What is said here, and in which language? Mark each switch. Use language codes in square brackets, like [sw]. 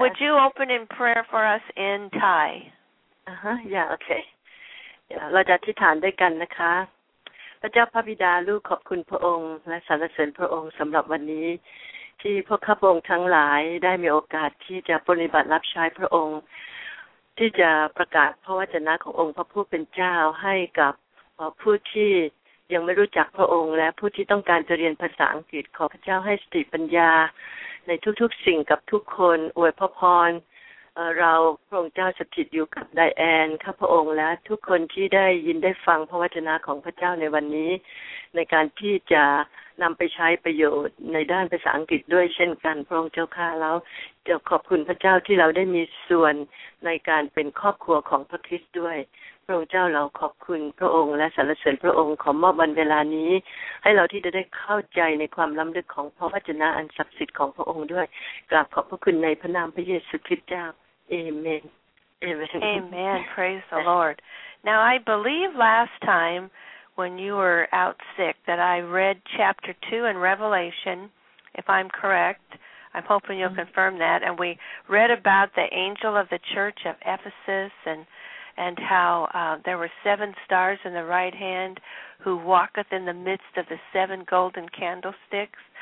[en] Would you open in prayer for us in Thai? Okay. [th] เราจะอธิษฐานด้วยกันนะคะพระเจ้าพระบิดาลูกขอบคุณพระองค์และสรรเสริญพระองค์สำหรับวันนี้ที่พวกข้าพระองค์ทั้งหลายได้มีโอกาสที่จะปฏิบัติรับใช้พระองค์ที่จะประกาศพระวจนะขององค์พระผู้เป็นเจ้าให้กับผู้ที่ยังไม่รู้จักพระองค์และผู้ที่ต้องการจะเรียนภาษาอังกฤษขอพระเจ้าให้สติปัญญาในทุกๆสิ่งกับทุกคนอวยพร เราพระองค์เจ้าสถิตอยู่กับไดแอนข้าพระองค์และทุกคนที่ได้ยินได้ฟังพระวจนะของพระเจ้าในวันนี้ในการที่จะ นำไปใช้ประโยชน์ในด้านภาษาอังกฤษด้วยเช่นกันพระองค์เจ้าค่ะแล้วจะขอบคุณพระเจ้าที่เราได้มีส่วนในการเป็นครอบครัวของพระคริสต์ด้วยพระองค์เจ้าเราขอบคุณพระองค์และสรรเสริญพระองค์ขอมอบวันเวลานี้ให้เราที่จะได้เข้าใจในความล้ำลึกของพระวจนะอันศักดิ์สิทธิ์ของพระองค์ด้วยกราบขอบพระคุณในพระนามพระเยซูคริสต์เจ้า [en] Amen. Praise the Lord. Now, I believe last time when you were out sick that I read chapter 2 in Revelation, if I'm correct. I'm hoping you'll confirm that. And we read about the angel of the church of Ephesus and how there were seven stars in the right hand who walketh in the midst of the seven golden candlesticks.